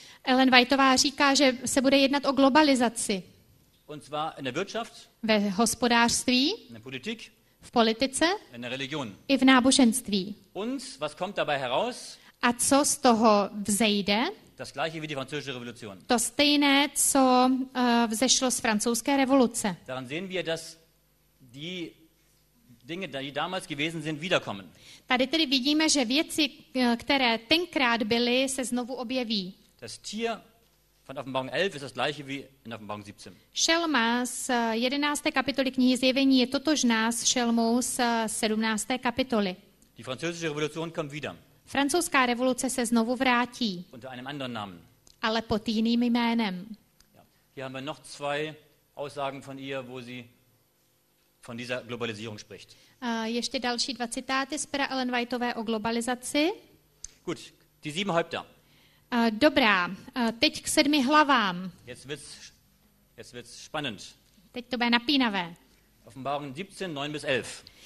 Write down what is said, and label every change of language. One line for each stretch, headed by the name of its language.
Czech: Ellen Whiteová říká, že se bude jednat o globalizaci.
German: Und zwar in der Wirtschaft,
Czech: ve hospodářství,
German: in der Politik,
Czech: v politice,
German: in der Religion.
Czech: I v náboženství.
German: Und was kommt dabei heraus?
Czech: A co z toho vzejde?
German: Das gleiche wie die französische Revolution.
Czech: To stejné, co vzešlo z francouzské revoluce.
German: Daran sehen wir, dass die Dinge, die damals gewesen sind, wiederkommen.
Czech: Tady tedy vidíme, že věci, které tenkrát byly, se znovu objeví.
German: Das Tier von Offenbarung 11 ist das gleiche wie in Offenbarung 17.
Czech: Šelma z 11. kapitoly knihy Zjevení je totožná s šelmou z 17. kapitoly.
German: Die französische Revolution kommt wieder.
Czech: Francouzská revoluce se znovu vrátí.
German: Unter einem anderen Namen.
Czech: Ale pod jiným jménem.
German: Ja. Hier haben wir noch zwei Aussagen von ihr, wo sie von dieser Globalisierung spricht.
Czech: Ještě další dva citáty z Pera Ellen Whiteové o globalizaci.
German: Gut, die sieben Häupter.
Czech: Dobrá, teď k sedmi hlavám.
German: Jetzt wird's spannend.
Czech: Teď to bude napínavé.
German: Offenbarung 17, 9 bis 11.